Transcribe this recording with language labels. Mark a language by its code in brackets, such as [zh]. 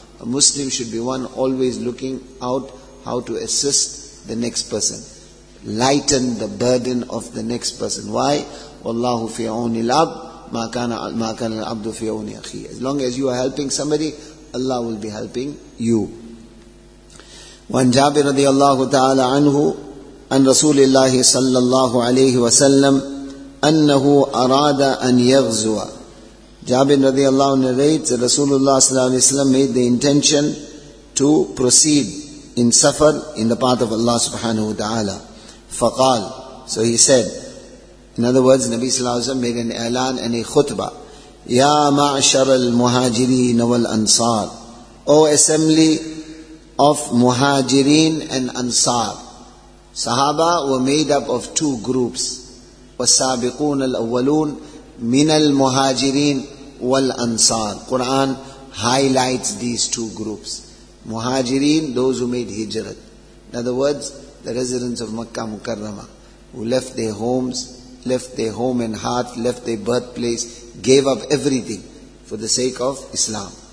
[en] A Muslim should be one always looking out how to assist the next person. Lighten the burden of the next person. Why? [ar] Wallahu fi auni al-abd, ma kana al-abdu fi auni akhi. [en] As long as you are helping somebody, Allah will be helping you. [ar] وَنْ جَابِ رَضِيَ اللَّهُ تَعَالَىٰ عَنْهُ عن رسول الله صلى الله عليه وسلم أنه أراد أن يغزو. [en] جابر رضي الله عنه narrates that رسول الله صلى الله عليه وسلم made the intention to proceed in safar in the path of Allah سبحانه وتعالى. فقال, so he said, in other words, Nabi صلى الله عليه وسلم made an إعلان and a خطبة. [ar] يا معشر المهاجرين والأنصار, [en] O assembly of [ar] مهاجرين and أنصار. [en] Sahaba were made up of two groups. [ar] وَالسَّابِقُونَ الْأَوَّلُونَ مِنَ الْمُهَاجِرِينَ وَالْأَنصَارِ. [en] Quran highlights these two groups. Muhajirin, those who made hijrat. In other words, the residents of Makkah Mukarrama, who left their homes, left their home and heart, left their birthplace, gave up everything for the sake of Islam.